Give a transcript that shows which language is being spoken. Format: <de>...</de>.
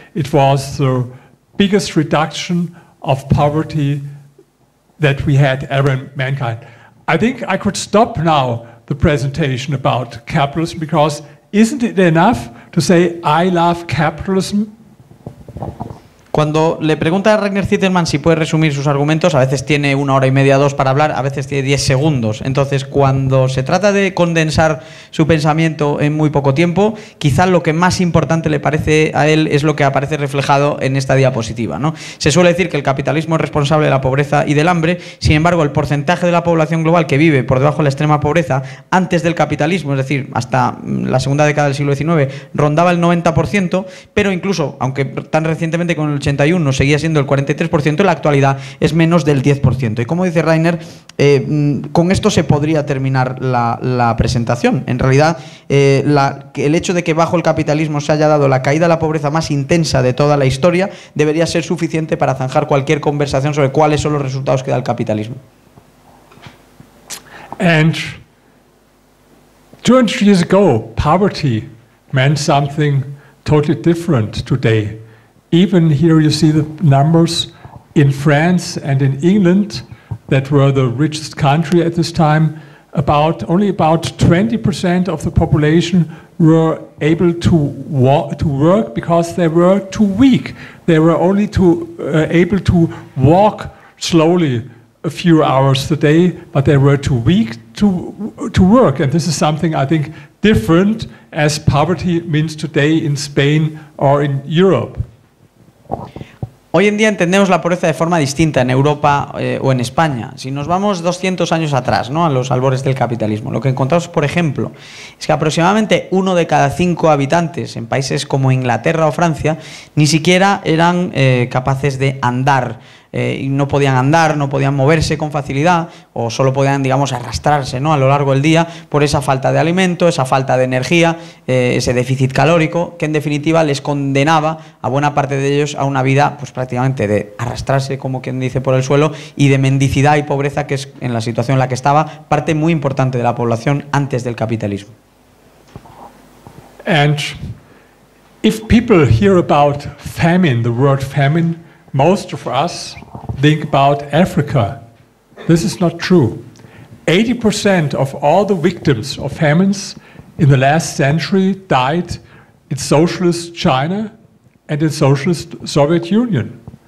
<en>It was the biggest reduction of poverty that we had ever in mankind. I think I could stop now the presentation about capitalism, because isn't it enough to say I love capitalism?</en> <es>Cuando le pregunta a Ragnar Zitterman si puede resumir sus argumentos, a veces tiene una hora y media, dos para hablar, a veces tiene 10 segundos. Entonces, cuando se trata de condensar su pensamiento en muy poco tiempo, quizá lo que más importante le parece a él es lo que aparece reflejado en esta diapositiva, ¿no? Se suele decir que el capitalismo es responsable de la pobreza y del hambre, sin embargo, el porcentaje de la población global que vive por debajo de la extrema pobreza antes del capitalismo, es decir, hasta la segunda década del siglo XIX, rondaba el 90%, pero incluso, aunque tan recientemente con el 81 seguía siendo el 43%, en la actualidad es menos del 10%. Y como dice Rainer, con esto se podría terminar la presentación. En realidad, el hecho de que bajo el capitalismo se haya dado la caída de la pobreza más intensa de toda la historia debería ser suficiente para zanjar cualquier conversación sobre cuáles son los resultados que da el capitalismo.</es> <en>And 200 years ago, poverty meant something totally different today. Even here you see the numbers in France and in England that were the richest country at this time. Only about 20% of the population were able to work because they were too weak. They were only able to walk slowly a few hours a day, but they were too weak to work. And this is something I think different as poverty means today in Spain or in Europe.</en> <es>Hoy en día entendemos la pobreza de forma distinta en Europa o en España. Si nos vamos 200 años atrás, ¿no?, a los albores del capitalismo, lo que encontramos, por ejemplo, es que aproximadamente 1 de cada 5 habitantes en países como Inglaterra o Francia ni siquiera eran capaces de andar. No podían andar, no podían moverse con facilidad, o solo podían, digamos, arrastrarse, ¿no?, a lo largo del día, por esa falta de alimento, esa falta de energía, ese déficit calórico, que en definitiva les condenaba a buena parte de ellos a una vida, pues prácticamente de arrastrarse, como quien dice, por el suelo, y de mendicidad y pobreza, que es en la situación en la que estaba parte muy importante de la población antes del capitalismo.</es> <en>And if people hear about famine, the word famine, most of us think about Africa. This is not true. 80% of all the victims of famines in the last century died in socialist China and in socialist Soviet Union.</en>